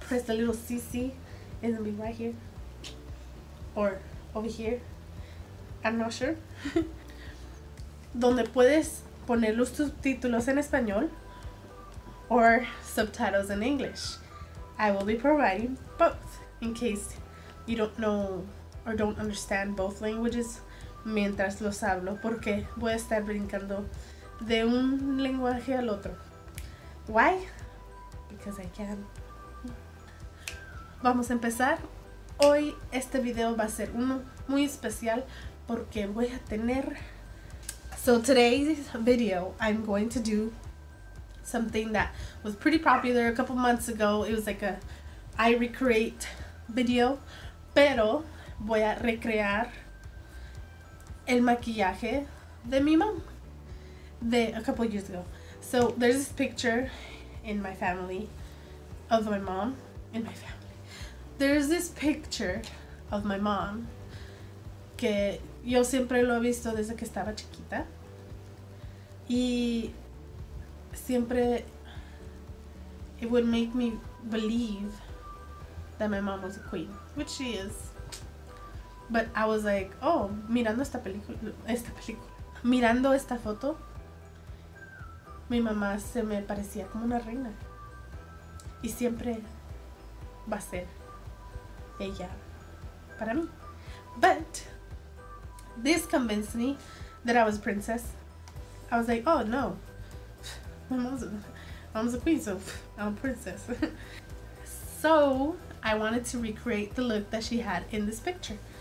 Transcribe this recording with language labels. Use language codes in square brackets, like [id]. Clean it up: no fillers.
[en] Press the little CC, it'll be right here or over here, I'm not sure. [es] Donde puedes poner los subtítulos en español [en] or subtitles in English. I will be providing both in case you don't know or don't understand both languages [es] mientras los hablo, porque voy a estar brincando de un lenguaje al otro. [en] Why? Because I can. [es] Vamos a empezar. Hoy este video va a ser uno muy especial porque voy a tener... [en] So today's video, I'm going to do something that was pretty popular a couple months ago. It was like a I recreate video, [es] pero voy a recrear el maquillaje de mi mom de [en] a couple years ago. So there's this picture in my family of my mom. In my family, there's this picture of my mom [es] que yo siempre lo he visto desde que estaba chiquita. Y siempre [en] it would make me believe that my mom was a queen, which she is. But I was like, oh, [es] mirando esta foto, mi mamá se me parecía como una reina. Y siempre va a ser ella para mí. [en] But this convinced me that I was a princess. I was like, oh, no. My mom's a queen, so I'm a princess. So I wanted to recreate the look that she had in this picture.